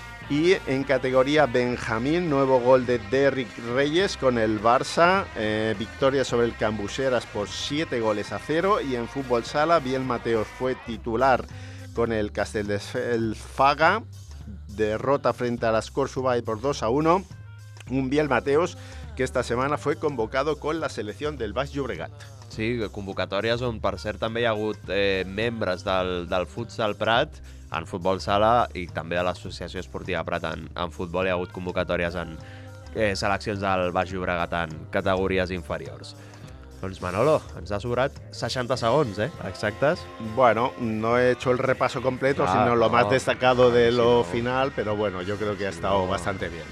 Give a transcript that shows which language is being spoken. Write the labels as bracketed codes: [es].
[es] Y en categoría Benjamín, nuevo gol de Derrick Reyes con el Barça, victoria sobre el Cambuseras por 7-0. Y en fútbol sala, Biel Mateos fue titular con el Castelldefels-Faga, derrota frente a las Corsubay por 2-1. Un Biel Mateos que esta semana fue convocado con la selección del Baix Llobregat. [ca] Sí, convocatòries on, per cert, també hi ha hagut membres del Futsal Prat en futbol sala i també de l'Associació Esportiva Prat en futbol. Hi ha hagut convocatòries en seleccions del Baix Llobregat en categories inferiors. Doncs Manolo, ens ha sobrat 60 segons, exactes. [es] Bueno, no he hecho el repaso completo, [ca] sinó [es] lo más destacado de lo final, pero bueno, yo creo que ha estado bastante bien.